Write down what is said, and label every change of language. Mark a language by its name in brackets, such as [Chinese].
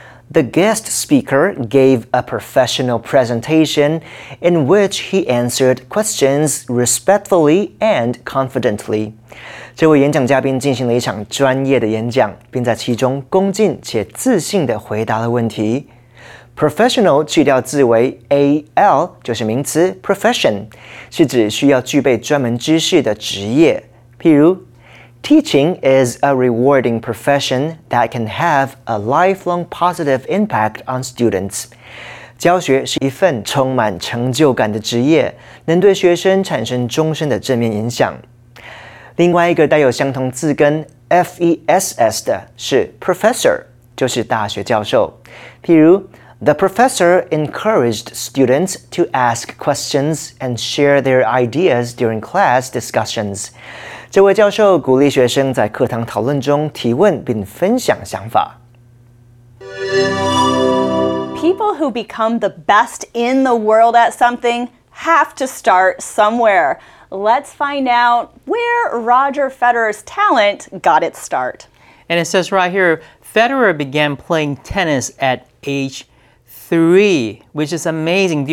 [English] The guest speaker gave a professional presentation in which he answered questions respectfully and confidently. [Chinese] 这位演讲嘉宾进行了一场专业的演讲，并在其中恭敬且自信地回答了问题。 Professional 去掉字尾 al 就是名词 profession， 是指需要具备专门知识的职业。 [English] 譬如 Teaching is a rewarding profession that can have a lifelong positive impact on students. [Chinese] 教学是一份充满成就感的职业，能对学生产生终身的正面影响。另外一个带有相同字根 FESS 的是 Professor， 就是大学教授。 [English] 譬如 The professor encouraged students to ask questions and share their ideas during class discussions. [Chinese] 这位教授鼓励学生在课堂讨论中提问并分享想法。 [English] People who become the best in the world at something have to start somewhere. Let's find out where Roger Federer's talent got its start. And it says right here, Federer began playing tennis at age 3, which is amazing.